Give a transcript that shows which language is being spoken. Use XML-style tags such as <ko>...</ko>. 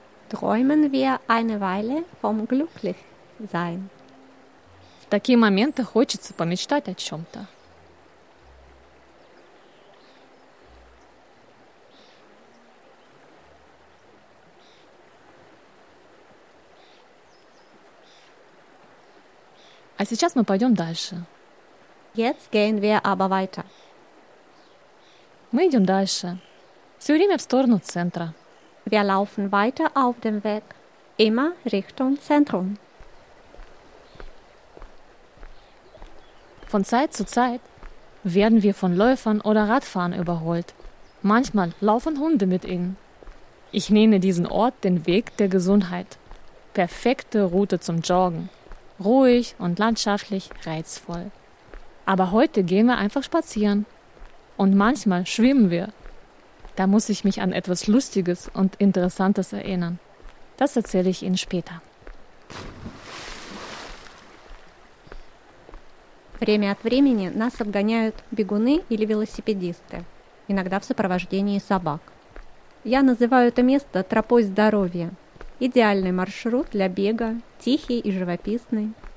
<de>Träumen wir eine Weile vom Glücklichsein.</de> <ru>В такие моменты хочется помечтать о чем-то. А сейчас мы пойдем дальше.</ru> <de>Jetzt gehen wir aber weiter.</de> <ru>Мы идем дальше. Все время в сторону центра.</ru> <de>Wir laufen weiter auf dem Weg. Immer Richtung Zentrum. Von Zeit zu Zeit werden wir von Läufern oder Radfahrern überholt. Manchmal laufen Hunde mit ihnen. Ich nenne diesen Ort den Weg der Gesundheit. Perfekte Route zum Joggen. Ruhig und landschaftlich reizvoll. Aber heute gehen wir einfach spazieren. Und manchmal schwimmen wir. Da muss ich mich an etwas Lustiges und Interessantes erinnern. Das erzähle ich Ihnen später.</de> <ru>Время от времени нас обгоняют бегуны или велосипедисты, иногда в сопровождении собак. Я называю это место тропой здоровья. Идеальный маршрут для бега, тихий и живописный.</ru>